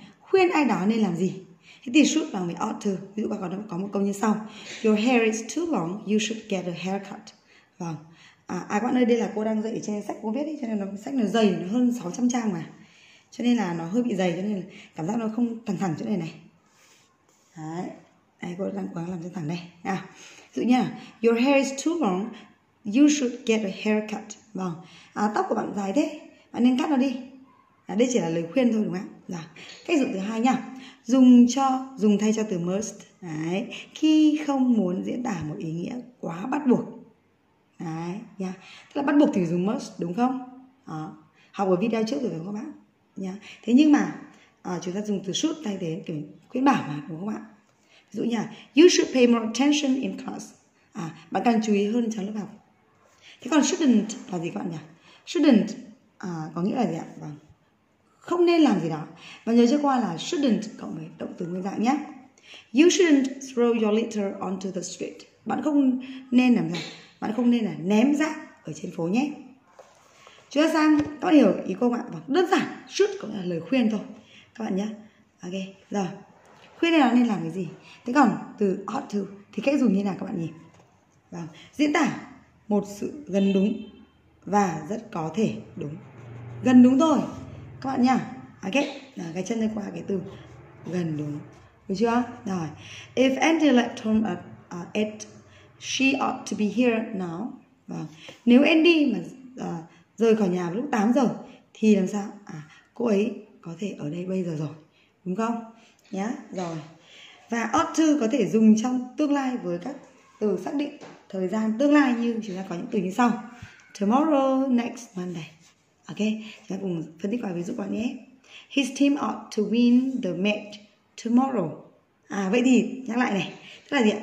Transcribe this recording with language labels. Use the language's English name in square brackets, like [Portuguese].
[Vietnamese] Khuyên ai đó nên làm gì. Thế thì should bằng với ought to. Ví dụ bà còn có một câu như sau: [English] Your hair is too long, you should get a haircut. [Vietnamese] Vâng. À các bạn ơi, đây là cô đang dạy trên sách cô viết ấy, cho nên nó sách nó dày, nó hơn 600 trang mà, cho nên là nó hơi bị dày, cho nên cảm giác nó không thẳng thẳng chỗ này này. Đấy, đây cô đang cố gắng làm cho thẳng đây. Nào, ví dụ nha: [English] Your hair is too long, you should get a haircut. [Vietnamese] Vâng. À, tóc của bạn dài thế, bạn nên cắt nó đi. À, đây chỉ là lời khuyên thôi đúng không ạ? Dạ. Cách dùng thứ hai nha. Dùng thay cho từ must. Đấy. Khi không muốn diễn tả một ý nghĩa quá bắt buộc. Đấy nha. Tức là bắt buộc thì dùng must đúng không? Đó. Học ở video trước rồi đúng không các bạn? Nha. Thế nhưng mà chúng ta dùng từ should thay thế kiểu khuyến bảo mà đúng không ạ? Ví dụ nha: [English] You should pay more attention in class. [Vietnamese] À, bạn cần chú ý hơn trong lớp học. Thế còn shouldn't là gì các bạn nhỉ? Shouldn't có nghĩa là gì ạ? Vâng. Không nên làm gì đó. Và nhớ trước qua là shouldn't cộng với động từ nguyên dạng nhé. [English] You shouldn't throw your litter onto the street. [Vietnamese] Bạn không nên làm gì? Bạn không nên là ném rác ở trên phố nhé. Chúng ta sang, các bạn hiểu ý cô ạ? Vâng. Đơn giản, should cũng là lời khuyên thôi các bạn nhé. Ok, rồi. Khuyên này là nên làm cái gì? Thế còn từ ought to thì cách dùng như thế nào các bạn nhỉ? Vâng. Diễn tả một sự gần đúng và rất có thể đúng. Gần đúng thôi các bạn nha. Ok, rồi, cái chân đây qua cái từ gần đúng. Được chưa? Rồi. [English] If Andy left home at 8, she ought to be here now. [Vietnamese] Vâng. Nếu Andy mà rời khỏi nhà lúc 8 giờ thì làm sao? À, cô ấy có thể ở đây bây giờ rồi. Đúng không? Nhá. Rồi. Và ought to có thể dùng trong tương lai với các từ xác định thời gian tương lai, như chúng ta có những từ như sau: [English] tomorrow, next Monday. [Vietnamese] Ok, chúng ta cùng phân tích vài ví dụ bạn nhé. [English] His team ought to win the match tomorrow. [Vietnamese] À vậy thì nhắc lại này, tức là gì ạ?